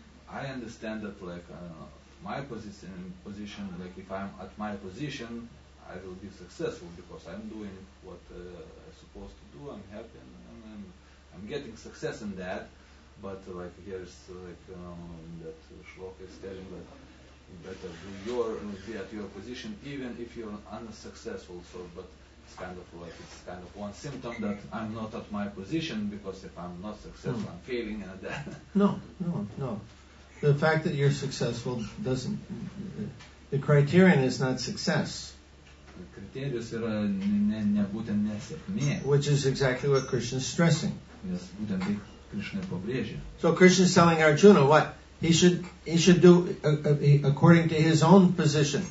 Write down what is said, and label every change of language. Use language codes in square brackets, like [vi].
[en] I understand that, like, I don't know, my position, like, if I'm at my position, I will be successful because I'm doing what I'm supposed to do, I'm happy, and I'm getting success in that, but, like, here's, like, that Shloka is telling that, better do your be at your position even if you're unsuccessful. So but it's kind of like it's kind of one symptom that I'm not at my position because if I'm not successful I'm failing at that. No. The fact that you're successful doesn't the criterion is not success. The criterion [lt] yra ne būtent nesėkmė. [en] Which is exactly what Krishna is stressing. [lt] Yes, būtent tai Krishna pabrėžia. [en] So Krishna is telling Arjuna what? He should do according to his own position.